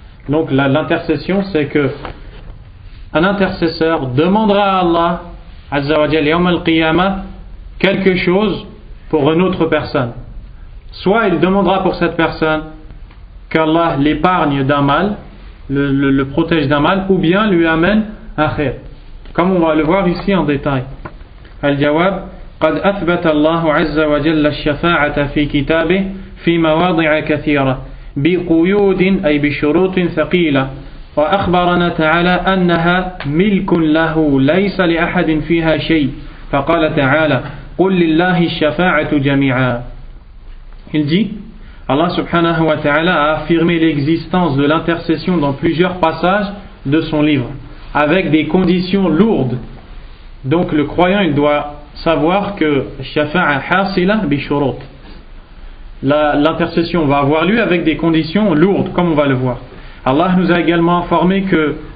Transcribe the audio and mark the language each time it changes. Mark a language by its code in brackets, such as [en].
[fr] Donc l'intercession, c'est que un intercesseur demandera à Allah [ar] عز و جل يوم القيامة [fr] quelque chose pour une autre personne. Soit il demandera pour cette personne qu'Allah l'épargne d'un mal, le protège d'un mal, ou bien lui amène un khair, comme on va le voir ici en détail. [ar] Al-Jawab: قد أثبت الله عز وجل الشفاعة في كتابه في مواضع كثيرة بقيود أي بشروط ثقيلة وأخبرنا تعالى أنها ملك له ليس لأحد فيها شيء فقال تعالى قل لله الشفاعة جميعا. [fr] Il dit, Allah [ar] سبحانه وتعالى [fr] a affirmé l'existence de l'intercession dans plusieurs passages de son livre avec des conditions lourdes. Donc le croyant il doit savoir que [ar] shafa'a hasila bi shurut, [fr] l'intercession va avoir lieu avec des conditions lourdes, comme on va le voir. Allah nous a également informé que